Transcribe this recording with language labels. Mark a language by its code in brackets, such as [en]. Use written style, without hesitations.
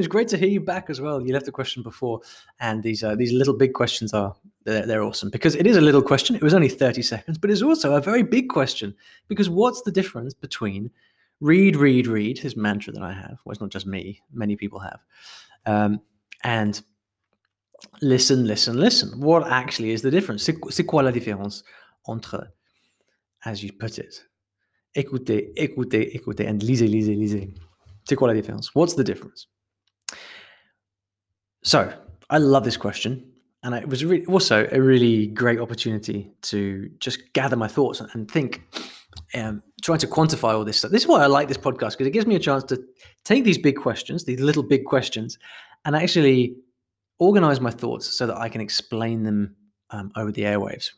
[en] It's great to hear you back as well. You left a question before, and these little big questions they're awesome, because it is a little question. It was only 30 seconds, but it's also a very big question, because what's the difference between read, read, read, this mantra that I have, well, it's not just me, many people have, and listen, listen, listen. What actually is the difference? [fr] C'est quoi la différence entre, [en] as you put it, [fr] écoutez, écoutez, écoutez, and lisez, lisez, lisez. C'est quoi la différence? [en] What's the difference? So, I love this question. And it was also a really great opportunity to just gather my thoughts and think, trying to quantify all this stuff. This is why I like this podcast, because it gives me a chance to take these big questions, these little big questions, and actually organize my thoughts so that I can explain them over the airwaves.